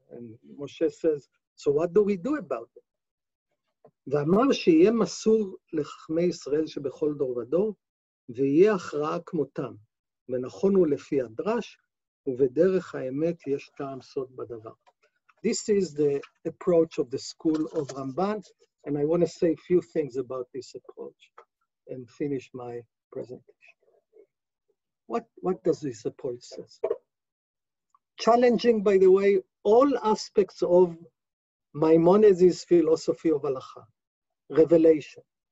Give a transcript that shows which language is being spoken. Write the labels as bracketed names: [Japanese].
[English] And Moshe says, so what do we do about it? [Hebrew] ואמר שיהיה מסור לחכמי ישראל שבכל דור ודור, ויהיה הכרעה כמותם. ונכון הוא לפי הדרש, ובדרך האמת יש טעם סוד בדבר. [English] This is the approach of the school of Ramban, and I want to say a few things about this approach and finish my presentation. What does this approach say? Challenging, by the way, all aspects of Maimonides' philosophy of halakha, revelation.